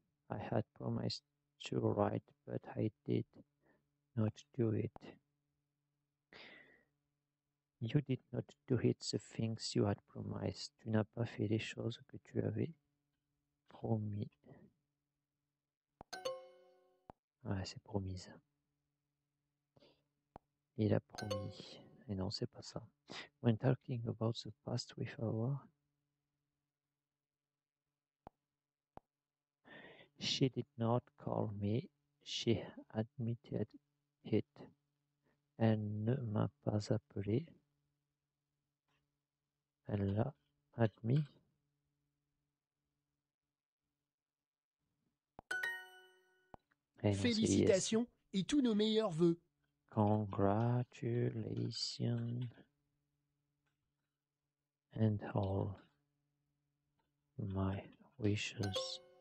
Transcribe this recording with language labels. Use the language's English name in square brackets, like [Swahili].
[English] I had promised to write, but I did not do it. You did not do it, the things you had promised. [French] Tu n'as pas fait les choses que tu avais promis. Ah, c'est promise. Il a promis. Et non, c'est pas ça. [English] When talking about the past with our... She did not call me, she admitted it. [French] Elle ne m'a pas appelé, elle l'a admis. Et félicitations yes. Et tous nos meilleurs voeux. [English] Congratulations and all my wishes.